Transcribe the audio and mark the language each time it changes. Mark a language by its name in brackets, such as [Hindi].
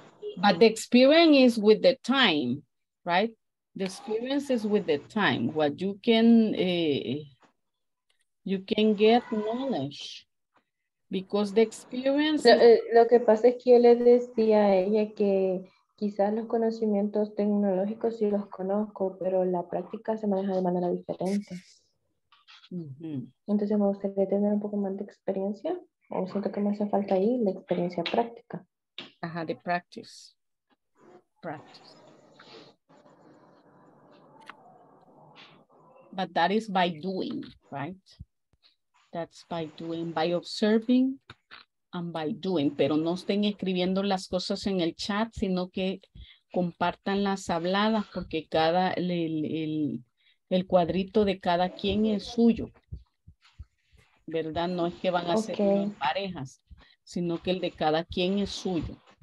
[English] Okay. But the experience is with the time, right? The experience is with the time. What you can get knowledge because the experience. [Spanish] Lo que pasa es que yo le decía a ella que quizás los conocimientos tecnológicos sí los conozco, pero la práctica se maneja de manera diferente. Entonces me gustaría tener un poco más de experiencia. O siento que me hace falta ahí la experiencia práctica. Ajá, de practice. [English] But that is by doing, right? That's by doing, by observing and by doing. [Spanish] Pero no estén escribiendo las cosas en el chat, sino que compartan las habladas, porque cada el cuadrito de cada quien es suyo, ¿verdad? No es que van a ser parejas, sino que el de cada quien es suyo.